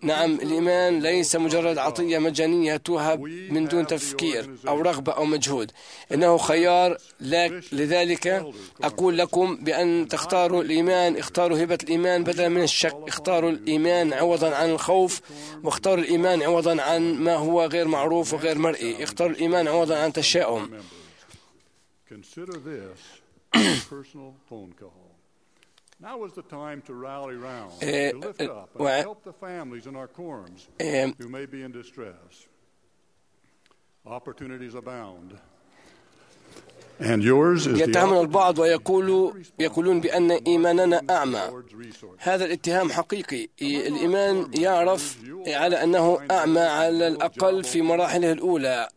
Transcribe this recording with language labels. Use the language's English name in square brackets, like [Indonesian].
[Arabic] نعم، الإيمان ليس مجرد عطية مجانية توهب من دون تفكير أو رغبة أو مجهود، إنه خيار. لذلك أقول لكم بأن تختاروا الإيمان، اختاروا هبة الإيمان بدلا من الشك، اختاروا الإيمان عوضا عن الخوف، واختاروا الإيمان عوضا عن ما هو غير معروف وغير مرئي، اختاروا الإيمان عوضا عن تشاؤم. [English] Consider this personal phone call. Now was the time to rally round, to lift up and help the families in our quorums who may be in distress. Opportunities abound. And yours is [Arabic] يتهمنا البعض ويقولون بأن إيماننا أعمى. هذا الاتهام حقيقي. الإيمان يعرف على أنه أعمى على الأقل في مراحله الأولى.